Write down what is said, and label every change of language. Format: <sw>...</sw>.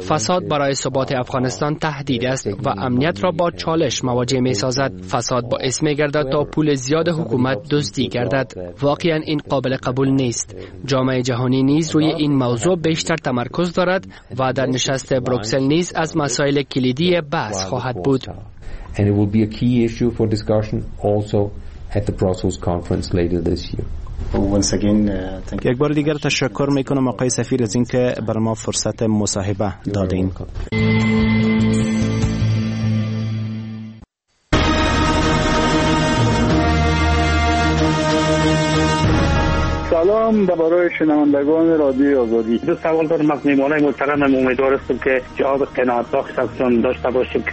<fa>فساد برای ثبات افغانستان تهدید است و امنیت را با چالش مواجه میسازد. فساد باعث میگردد تا پول زیاد حکومت دیگردد. واقعا این قابل قبول نیست. جامعه جهانی نیز روی این موضوع بیشتر تمرکز دارد و در نشست بروکسل نیز از مسائل کلیدی بحث خواهد بود.</fa> <en>And it will be a key issue for discussion also at the Brussels conference later this year. Once again, thank you.</en> <fa>یک بار دیگر تشکر میکنم آقای سفیر از اینکه بر ما فرصت مصاحبه دادین. سلام به برای شنوندگان رادیو آزادی. دو سوال دارم از میمانه محترمم، امیدوار هستم که جواب قناعت بخش هستم داشته باشیم.</fa>